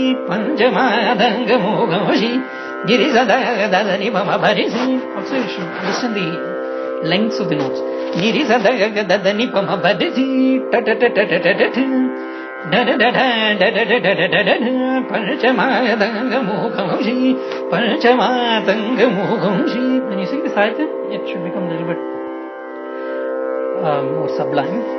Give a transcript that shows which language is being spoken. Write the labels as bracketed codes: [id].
[sa] பஞ்சமாதங்க மோகம் Sri கிரிசதனிபமபரிசி [en] Also you should understand the lengths of the notes. [sa] கிரிசதனிபமபரிசி பஞ்சமாதங்க மோகம் Sri [en] When you sing the Sahityam, it should become a little bit more sublime.